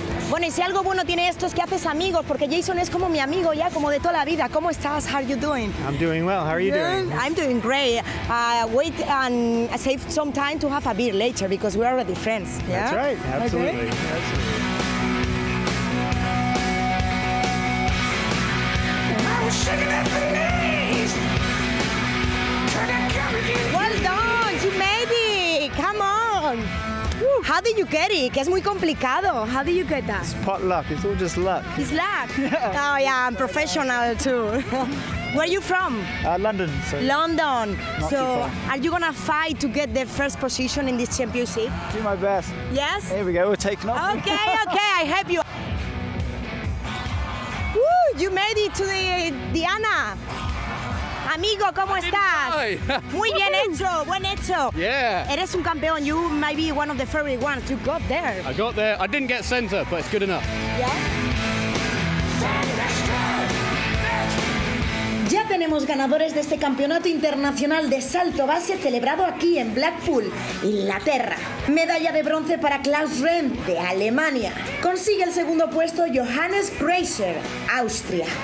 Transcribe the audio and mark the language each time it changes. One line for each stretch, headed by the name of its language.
Spanish: Bueno, y si algo bueno tiene esto es que haces amigos, porque Jason es como mi amigo ya, como de toda la vida. ¿Cómo estás?
English: How are you doing? I'm doing well. How are you doing? I'm doing great. Wait and save some time to have a beer later because we are already friends. Yeah. That's right. Absolutely. Okay. Absolutely. Well done, you made it, come on. How did you get it?
Spanish: Que es muy complicado.
English: How did you get that? It's pot luck, it's all just luck. It's luck? Yeah. Oh yeah, I'm professional too. Where are you from? London. So London. Not so are you going to fight to get the first position in this championship? Do my best. Yes? Here we go, we're taking off. Okay, I help you. You made it to the Diana.
Spanish: Amigo, ¿cómo estás? Muy bien hecho, buen hecho.
English: Yeah.
Spanish: Eres un campeón.
English: You might be one of the furry ones. You got there. I got there. I didn't get center, but it's good enough. Yeah.
Spanish: Ya tenemos ganadores de este campeonato internacional de salto base celebrado aquí en Blackpool, Inglaterra. Medalla de bronce para Klaus Rehm, de Alemania. Consigue el segundo puesto Johannes Grazer, Austria.